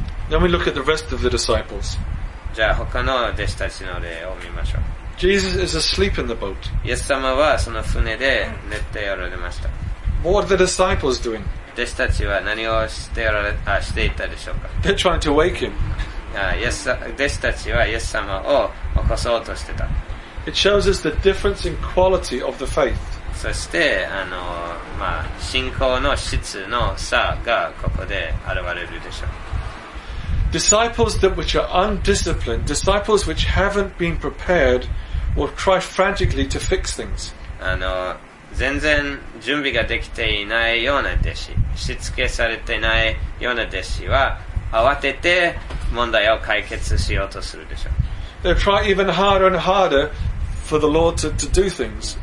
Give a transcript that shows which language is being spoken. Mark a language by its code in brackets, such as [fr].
[en] Then we look at the rest of the disciples. [ja] じゃあ他の弟子たちの例を見ましょう。 [en] Jesus is asleep in the boat. [ja] イエス様はその船で寝ておられました。 [en] What are the disciples doing? [ja] 弟子たちは何をしておられ、あ、していたでしょうか。 [en] They're trying to wake him. [ja] 弟子たちはイエス様を起こそうとしてた。 [en] It shows us the difference in quality of the faith. [ja] そして、まあ、信仰の質の差がここで現れるでしょう。 [en] Disciples that which are undisciplined, disciples which haven't been prepared, will try frantically to fix things. [ja] 全然準備ができていないような弟子、しつけされていないような弟子は慌てて問題を解決しようとするでしょう。 [en] They try even harder and harder for the Lord to do things.